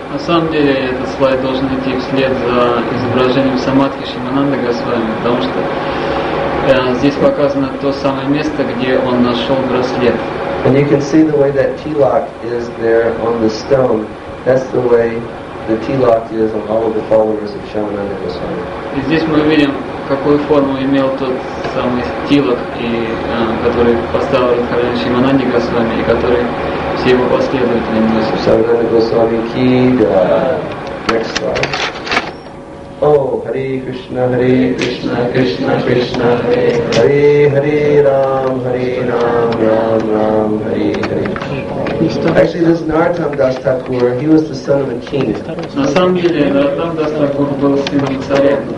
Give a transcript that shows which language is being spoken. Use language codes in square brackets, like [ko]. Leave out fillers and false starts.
[ru] На самом деле этот слайд должен идти вслед за изображением самадхи Шамананда Госвами, потому что здесь показано то самое место, где он нашел браслет. [en] And you can see the way that tilak is there on the stone. That's the way the tilak is on all of the followers of Shamananda Goswami. [ru] И здесь мы видим, какую форму имел тот самый тилак, который поставил Радхарани Шамананда Госвами и который все его последователи носят. Шамананда Госвами ки, да. [en] Next slide. Oh, Hare Krishna, Hare Krishna, Krishna Krishna, Hare Hare, Hare Ram, Hare Ram, Ram Ram, Hare Hare. Actually, this Naratam Das Thakur, he was the son of a king. [ru] На самом деле, Наратам Дас Такур был сыном царя.